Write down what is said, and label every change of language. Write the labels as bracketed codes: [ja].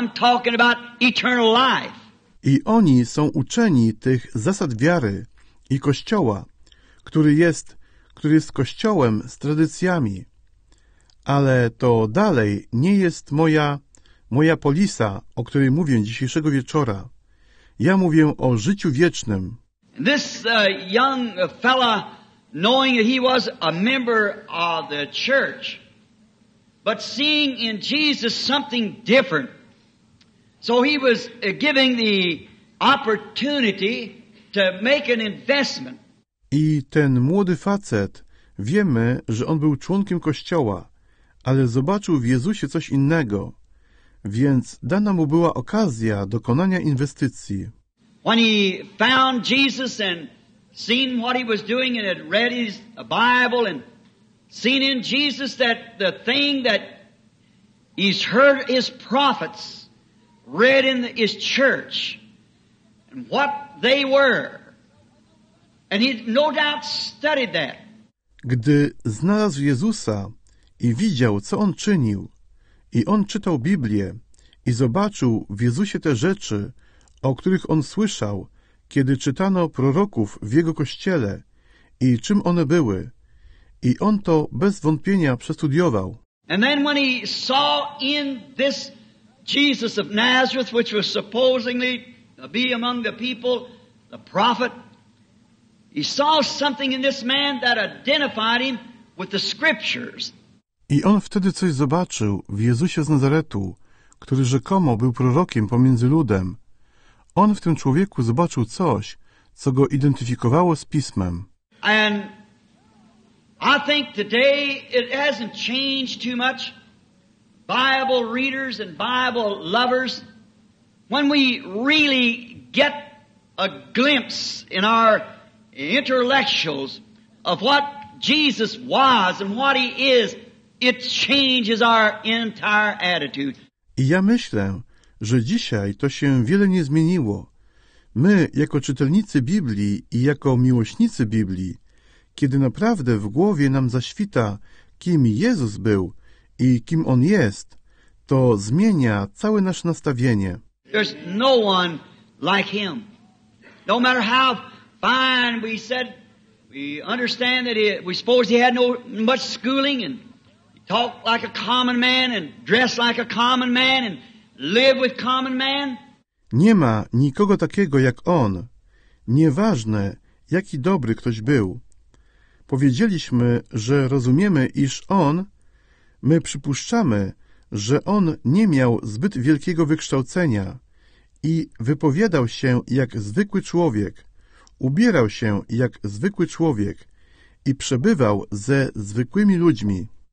[en] I'm talking about eternal life. [pl] I oni są uczeni tych zasad wiary i Kościoła, który jest kościołem z tradycjami. Ale to dalej nie jest moja polisa, o której mówię dzisiejszego wieczora. Ja mówię o życiu wiecznym. [en] This young fella, knowing that he was a member of the church, but seeing in Jesus something different, so he was giving the opportunity to make an investment. [pl] I ten młody facet, wiemy, że on był członkiem Kościoła, ale zobaczył w Jezusie coś innego, więc dana mu była okazja dokonania inwestycji. [en] When he found Jesus and seen what he was doing and had read his Bible and seen in Jesus that the thing that he's heard his prophets read in his church and what they were. And he no doubt studied that. [pl] Gdy znalazł Jezusa i widział, co on czynił, i on czytał Biblię, i zobaczył w Jezusie te rzeczy, o których on słyszał, kiedy czytano proroków w jego kościele i czym one były. I on to bez wątpienia przestudiował. [en] And then when he saw in this Jesus of Nazareth, which was supposedly to be among the people, the prophet, he saw something in this man that identified him with the scriptures. [pl] I on wtedy coś zobaczył w Jezusie z Nazaretu, który rzekomo był prorokiem pomiędzy ludem. On w tym człowieku zobaczył coś, co go identyfikowało z Pismem. [en] And I think today it hasn't changed too much. Bible readers and Bible lovers, when we really get a glimpse in our intellectuals of what Jesus was and what he is, it changes our entire attitude. [pl] I ja myślę, że dzisiaj to się wiele nie zmieniło. My, jako czytelnicy Biblii i jako miłośnicy Biblii, kiedy naprawdę w głowie nam zaświta, kim Jezus był i kim On jest, to zmienia całe nasze nastawienie. [en] There's no one like Him. No matter how fine we said, we understand that we suppose He had no much schooling and talk like a common man and dress like a common man and live with common man. [pl] Nie ma nikogo takiego jak on. Nieważne, jaki dobry ktoś był. Powiedzieliśmy, że rozumiemy, iż on, my przypuszczamy, że on nie miał zbyt wielkiego wykształcenia i wypowiadał się jak zwykły człowiek, ubierał się jak zwykły człowiek i przebywał ze zwykłymi ludźmi.